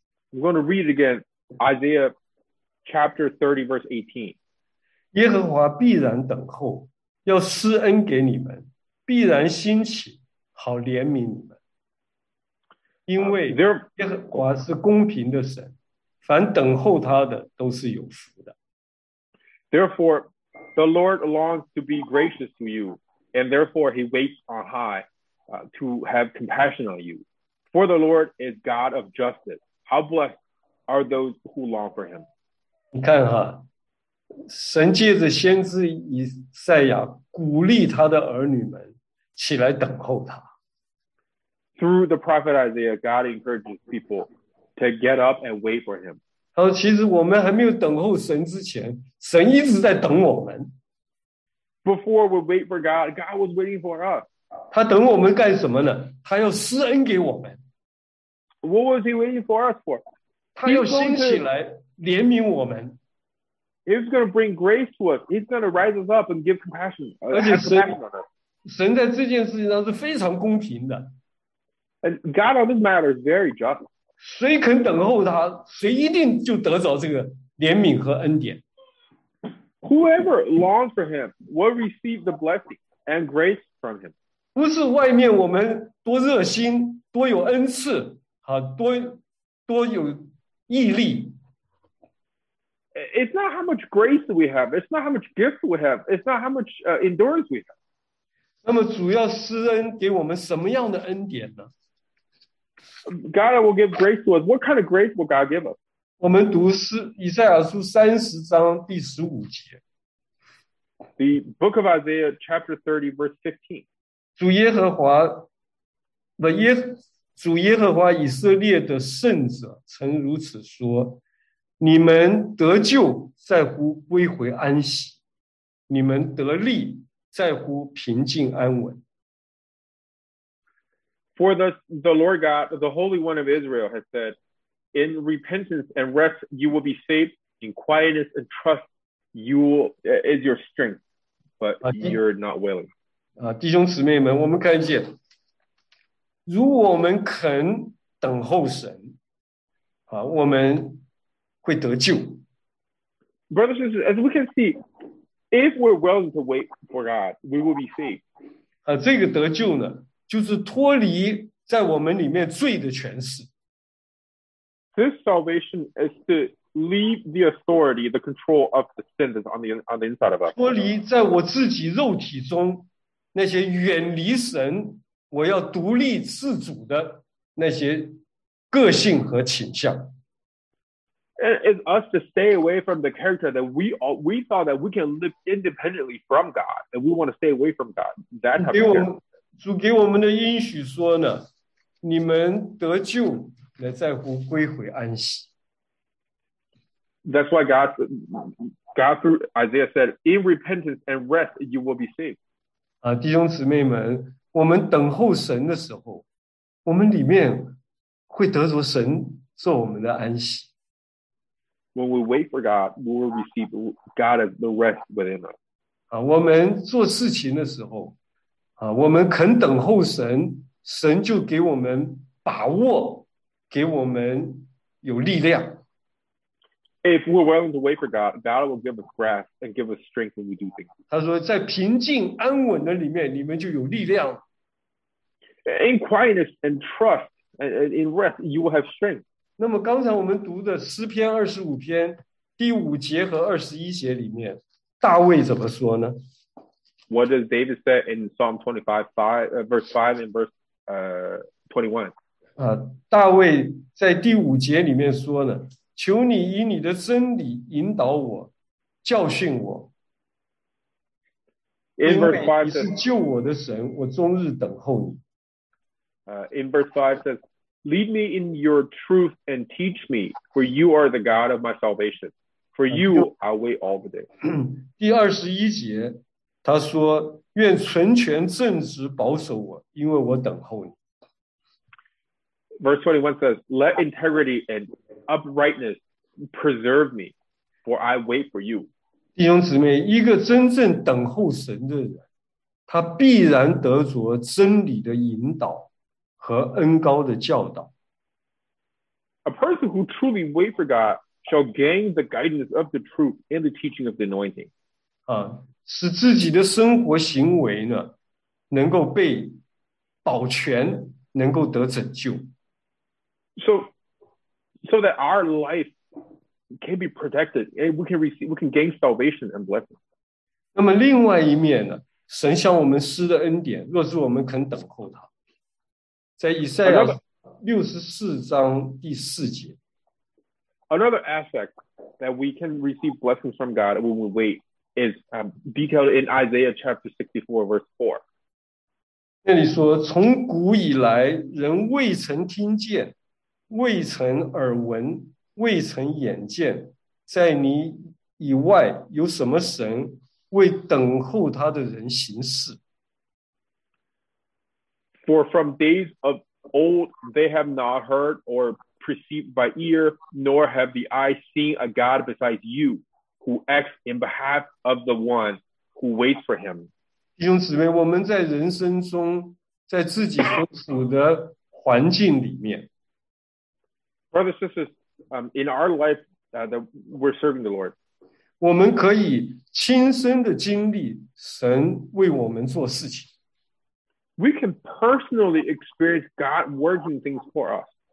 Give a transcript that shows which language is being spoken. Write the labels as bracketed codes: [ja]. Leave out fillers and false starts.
[en] I'm going to read again Isaiah chapter 30 verse 18. [zh] 耶和华必然等候，要施恩给你们，必然兴起，好怜悯你们。因为耶和华是公平的神，凡等候他的都是有福的。 [en] Therefore, the Lord longs to be gracious to you, and therefore he waits on high, to have compassion on you. For the Lord is God of justice. How blessed are those who long for him. [zh] 你看哈，神借着先知以赛亚鼓励他的儿女们起来等候他。 [en] Through the prophet Isaiah, God encourages people to get up and wait for him. [zh] 他说其实我们还没有等候神之前，神一直在等我们。 [en] Before we wait for God, God was waiting for us. [zh] 他等我们干什么呢？他要施恩给我们。 [en] What was he waiting for us for? [zh] 他要兴起来怜悯我们。 [en] He's going to bring grace to us. He's going to rise us up and give compassion. [zh] 而且神在这件事情上是非常公平的。 [en] And God on this matter is very just. [zh] 谁肯等候他，谁一定就得着这个怜悯和恩典。 [en] Whoever longs for him will receive the blessing and grace from him. [zh] 不是外面我们多热心，多有恩赐，啊，多有毅力。 [en] It's not how much grace we have. It's not how much gifts we have. It's not how much endurance we have. [zh] 那么主要施恩给我们什么样的恩典呢？ [en] God will give grace to us. What kind of grace will God give us? [zh] 我们读以赛亚书三十章第十五节。 [en] The book of Isaiah chapter 30 verse 15. [zh] 主耶和华以色列的圣者曾如此说，你们得救在乎归回安息，你们得力在乎平静安稳。 [en] For the Lord God, the Holy One of Israel has said, in repentance and rest you will be saved, in quietness and trust you is your strength, but you're not willing. [zh] 弟兄姊妹们，我们看见，如果我们肯等候神，我们会得救。 [en] Brothers and sisters, as we can see, if we're willing to wait for God, we will be saved. [zh] 这个得救呢，就是脱离在我们里面罪的权势。 [en] This salvation is to leave the authority, the control of the sin that's on the inside of us. [zh] 脱离在我自己肉体中那些远离神、我要独立自主的那些个性和倾向。 [en] It's us to stay away from the character that we thought that we can live independently from God, and we want to stay away from God. That type of character. [zh] 主给我们的应许说呢，你们得救乃在乎归回安息。 [en] That's why God through Isaiah said, "In repentance and rest, you will be saved." [zh] 弟兄姊妹们，我们等候神的时候，我们里面会得着神做我们的安息。 [en] When we wait for God, we will receive God as the rest within us. [zh] 我们做事情的时候，我们肯等候神，神就给我们把握，给我们有力量。 [en] If we're willing to wait for God, God will give us grace and give us strength when we do things. [zh] 他说，在平静安稳的里面，你们就有力量。 [en] In quietness and trust and in rest, you will have strength. [zh] 那么刚才我们读的诗篇二十五篇第五节和二十一节里面，大卫怎么说呢？ [en] What does David say in Psalm 25, verse 5 and verse 21? [zh] 大卫在第五节里面说呢，求你以你的真理引导我，教训我。 [en] In verse 5, [zh] 因为你是救我的神，我终日等候你。 [en] In verse 5 says, lead me in your truth and teach me, for you are the God of my salvation. For you, I wait all the day. [zh] 第二十一节，他说，愿纯全正直保守我，因为我等候你。 [en] Verse 21 says, let integrity and uprightness preserve me, for I wait for you. [zh] 弟兄姊妹，一个真正等候神的人，他必然得着真理的引导和恩膏的教导。 [en] A person who truly waits for God shall gain the guidance of the truth and the teaching of the anointing. [zh] 使自己的生活行为呢，能够被保全，能够得拯救。 [en] So that our life can be protected, and we can receive, we can gain salvation and blessing. [zh] 那么另外一面呢，神向我们施的恩典，若是我们肯等候他，在以赛亚64:4。 [en] Another aspect that we can receive blessings from God when we wait is detailed in Isaiah chapter 64:4. [zh] 那里说，从古以来，人未曾听见。未曾耳闻，未曾眼见，在你以外有什么神为等候他的人行事？ [en] For from days of old they have not heard or perceived by ear, nor have the eye seen a God besides you, who acts in behalf of the one who waits for him. [zh] 弟兄姊妹，我们在人生中，在自己所处的环境里面。 [en] Brothers and sisters, in our life, that we're serving the Lord. [zh] 我们可以亲身的经历神为我们做事情。 [en] We can personally experience God working things for us.